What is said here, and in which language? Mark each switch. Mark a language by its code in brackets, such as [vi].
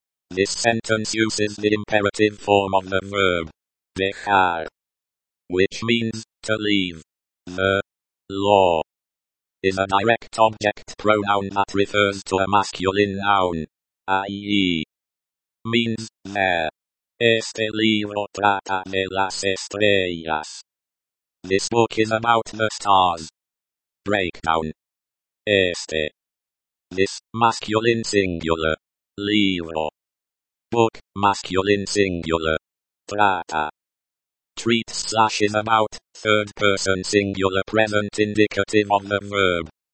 [en] This sentence uses the imperative form of the verb, dejar, which means, to leave. The law is a direct object pronoun that refers to a masculine noun, i.e. means, there. [es] Este libro trata de las estrellas. [en] This book is about the stars. Breakdown. Este. This, masculine singular. Libro. Book, masculine singular. Trata. Treat slash is about, third person singular present indicative of the verb.